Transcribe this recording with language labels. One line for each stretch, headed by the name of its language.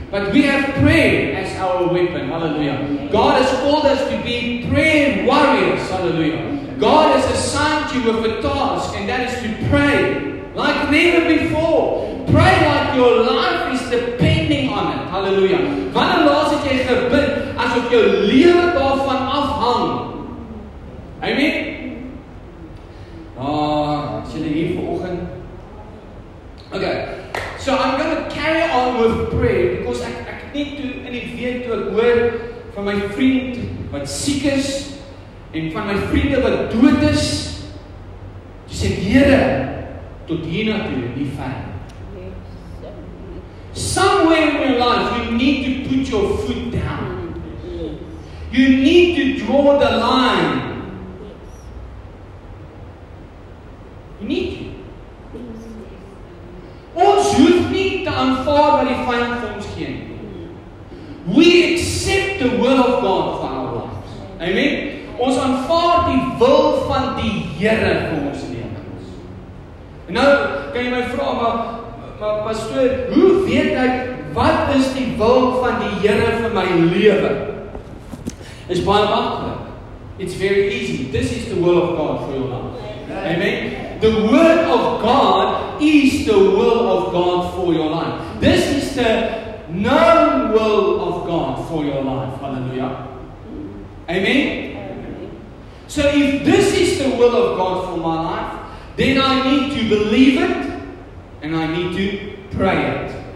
English: But we have prayer as our weapon. Hallelujah. God has called us to be prayer warriors. Hallelujah. God has assigned you with a task, and that is to pray like never before. Pray like your life is depending on it. Hallelujah.
Afrikaans: Wanneer laas het jy gebid asof jou lewe daarvan afhang? Amen. Is julle hier vanoggend? Okay.
English: So I'm going to carry on with prayer because
Afrikaans: ek
English: need to
Afrikaans: in die week toe ek hoor van my vriend wat siek is en van my vriende wat dood is. Jy sê Here tot hier na toe nie ver.
English: Somewhere in your life you need to put your foot down. You need to draw the line. You need to.
Afrikaans: Ons hoef nie te aanvaar wat die vyand vir ons gee nie.
English: We accept the will of God for our lives. Amen.
Afrikaans: Ons aanvaar die wil van die Here vir ons lewens. Nou kan jy my vra maar pastoor, hoe weet ek wat is die wil van die Here vir my lewe? Is baie maklik.
English: It's very easy. This is the will of God for your life. Amen. The word of God is the will of God for your life. This is the known will of God for your life. Hallelujah. Amen. So if this is the will of God for my life, then I need to believe it and I need to pray it.